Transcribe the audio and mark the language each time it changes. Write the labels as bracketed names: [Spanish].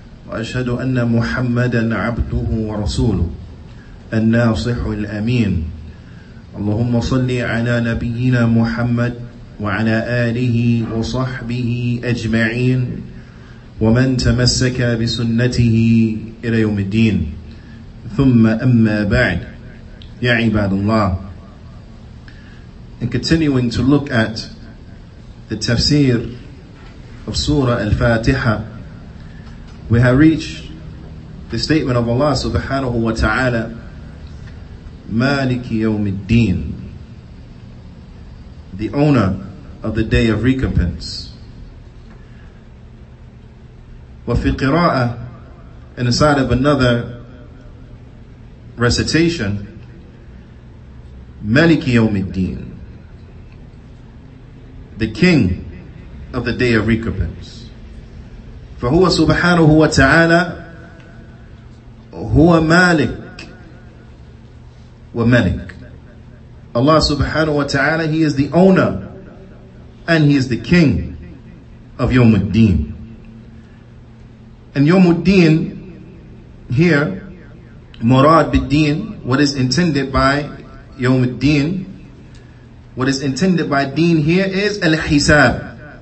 [Arabic] وأشهد أن محمدا عبده ورسوله الناصح الأمين اللهم صل على نبينا محمد وعلى آله وصحبه أجمعين ومن تمسك بسنته إلى يوم الدين ثم أما بعد يا عباد الله. [English] And continuing to look at the tafsir of Surah Al-Fatiha, we have reached the statement of Allah subhanahu wa ta'ala, Maliki yawm al-deen, the owner of the day of recompense. [Arabic] وفي قراءة, [English] and inside of another recitation, Maliki yawm al-deen, the king of the day of recompense. [Arabic] فهو سبحانه وتعالى هو مالك وملك. [English] Allah subhanahu wa ta'ala, He is the owner and He is the king of Yawm al-Din. And Yawm al-Din here, Murad bid-Din, what is intended by Yawm al-Din, what is intended by deen here is al-hisab.